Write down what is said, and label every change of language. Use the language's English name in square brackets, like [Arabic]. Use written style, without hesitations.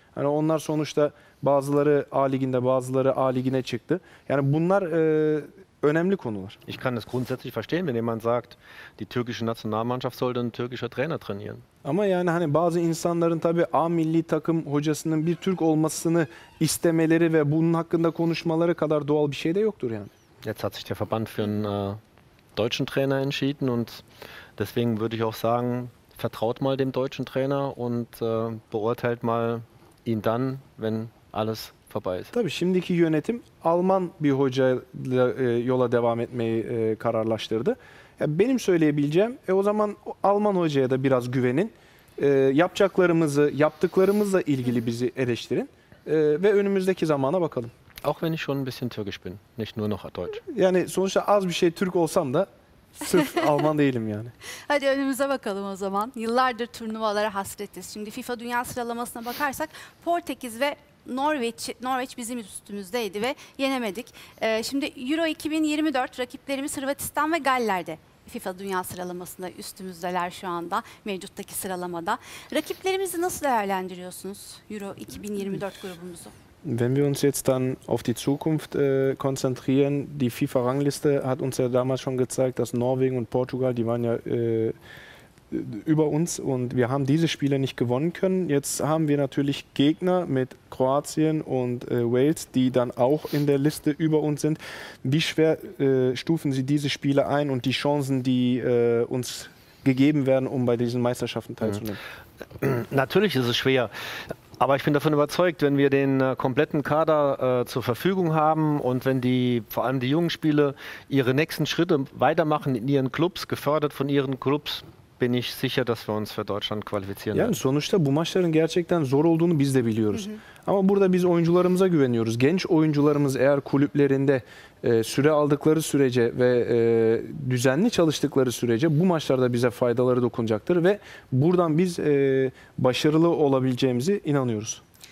[Turkish] Hani onlar sonuçta bazıları A Ligi'nde, bazıları A Ligi'ne çıktı. Yani bunlar önemli konular. [German] Ich kann das grundsätzlich verstehen, wenn jemand sagt, die türkische Nationalmannschaft sollte ein türkischer Trainer trainieren. [Turkish] Ama yani hani bazı insanların tabii A milli takım hocasının bir Türk olmasını istemeleri ve bunun hakkında konuşmaları kadar doğal bir şey de yoktur yani. [German] Jetzt hat sich der Verband für einen deutschen Trainer entschieden und deswegen würde ich auch sagen, vertraut mal dem deutschen Trainer und beurteilt mal ihn dann, wenn alles [Turkish] Tabii şimdiki yönetim Alman bir hocayla yola devam etmeyi kararlaştırdı. Ya benim söyleyebileceğim, o zaman Alman hocaya da biraz güvenin. Yapacaklarımızı, yaptıklarımızla ilgili bizi eleştirin. Ve önümüzdeki zamana bakalım. [German] Auch wenn ich schon ein bisschen türkisch bin, nicht nur noch deutsch. [Turkish] Yani sonuçta az bir şey Türk olsam da sırf Alman değilim yani. Hadi önümüze bakalım o zaman. Yıllardır turnuvalara hasretiz. Şimdi FIFA Dünya sıralamasına bakarsak Portekiz ve Norveç bizim üstümüzdeydi ve yenemedik. Şimdi Euro 2024 rakiplerimiz Hırvatistan ve Galler'de. FIFA Dünya sıralamasında üstümüzdeler şu anda mevcuttaki sıralamada. Rakiplerimizi nasıl değerlendiriyorsunuz Euro 2024 grubumuzu? [German] Wenn wir uns jetzt dann auf die Zukunft konzentrieren, die FIFA Rangliste hat uns ja damals schon gezeigt, dass Norwegen und Portugal, die waren ja über uns und wir haben diese Spiele nicht gewonnen können. Jetzt haben wir natürlich Gegner mit Kroatien und Wales, die dann auch in der Liste über uns sind. Wie schwer stufen Sie diese Spiele ein und die Chancen, die uns gegeben werden, um bei diesen Meisterschaften teilzunehmen? Natürlich ist es schwer, aber ich bin davon überzeugt, wenn wir den kompletten Kader zur Verfügung haben und wenn die, vor allem die jungen Spieler, ihre nächsten Schritte weitermachen in ihren Clubs, gefördert von ihren Clubs, bin ich sicher, dass wir uns für Deutschland qualifizieren werden. [Turkish] Yani sonuçta bu maçların gerçekten zor olduğunu biz de biliyoruz. Hı hı. Ama burada biz oyuncularımıza güveniyoruz. Genç oyuncularımız eğer kulüplerinde süre aldıkları sürece ve düzenli çalıştıkları sürece bu maçlarda bize faydaları dokunacaktır ve buradan biz başarılı olabileceğimizi inanıyoruz.